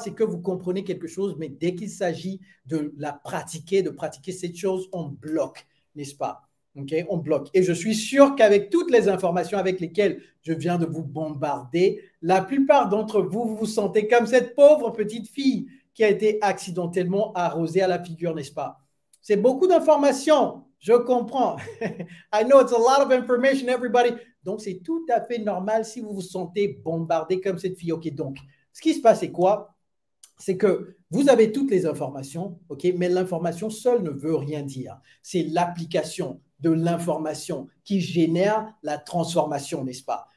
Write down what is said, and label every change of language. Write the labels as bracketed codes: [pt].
[fr] C'est que vous comprenez quelque chose, mais dès qu'il s'agit de la pratiquer, de pratiquer cette chose, on bloque, n'est-ce pas? OK, on bloque. Et je suis sûr qu'avec toutes les informations avec lesquelles je viens de vous bombarder, la plupart d'entre vous, vous vous sentez comme cette pauvre petite fille qui a été accidentellement arrosée à la figure, n'est-ce pas? C'est beaucoup d'informations, je comprends. [en] I know it's a lot of information, everybody. [fr] Donc, c'est tout à fait normal si vous vous sentez bombardé comme cette fille. OK, donc, ce qui se passe, c'est quoi? C'est que vous avez toutes les informations, OK, mais l'information seule ne veut rien dire. C'est l'application de l'information qui génère la transformation, n'est-ce pas?